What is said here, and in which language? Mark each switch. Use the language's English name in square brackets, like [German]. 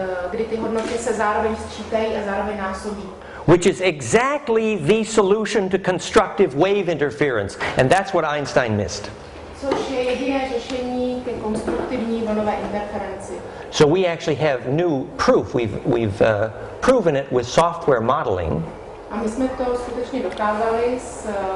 [Czech] kdy ty hodnoty se zároveň sčítají a zároveň násobí. [English] Which is exactly the solution to constructive wave interference, and that's what Einstein missed. [Czech] Což je jediné řešení ke konstruktivní vlnové interferenci. [English] So we actually have new proof. We've proven it with software modeling. [Czech] A my jsme to skutečně dokázali s